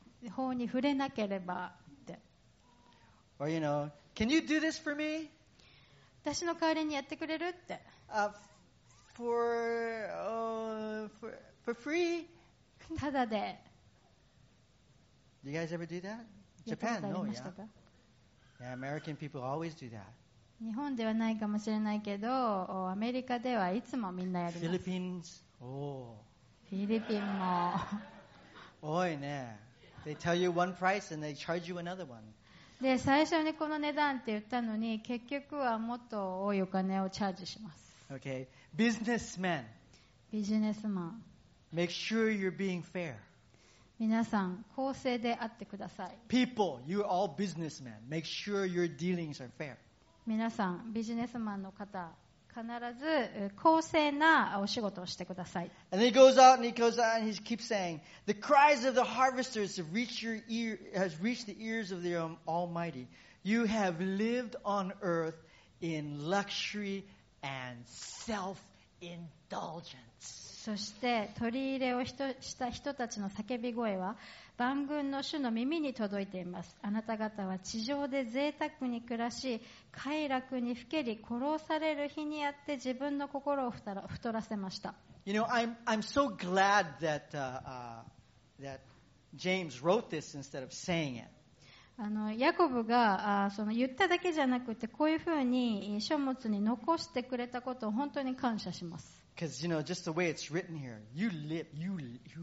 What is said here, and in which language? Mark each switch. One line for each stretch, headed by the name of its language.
Japanese: 法に触れなければって。
English: Or you know, can you do this for me?
Japanese: 私の代わりにやってくれるって。
English: For free?
Japanese: ただで。
English: You guys ever do that? Japan, no, yeah. Yeah, American people always do that.
Japanese: 日本ではないかもしれないけど、アメリカではいつもみんなやります。
English: Philippines, oh.
Japanese: フィリピンも。おいね。
English: They tell you one price and they charge you another one.
Japanese: で、最初にこの値段って言ったのに、結局はもっと多いお金をチャージします。
English: Okay. Businessman.
Japanese: ビジネスマン。
English: Make sure you're being fair.
Japanese: 皆さん、公正であってください。
English: People, you are all businessmen. Make sure your dealings are fair.
Japanese: 皆さん、ビジネスマンの方、必ず公正なお仕事をしてください。
English: And he goes out and he goes out and he keeps saying, The cries of the harvesters has reached the ears of the Almighty. You have lived on earth in luxury and self-interest. indulgence.
Japanese: そして取り入れをした人たちの叫び声は万軍の主の耳に届いています。あなた方は地上で贅沢に暮らし快楽にふけり殺される日にあって自分の心を太らせました。
English: You know, I'm so glad that, that James wrote this instead of saying it.
Japanese: あのヤコブがその言っただけじゃなくてこういうふうに書物に残してくれたことを本当に感謝します。
English: Because, you know, just the way it's written here, you lived.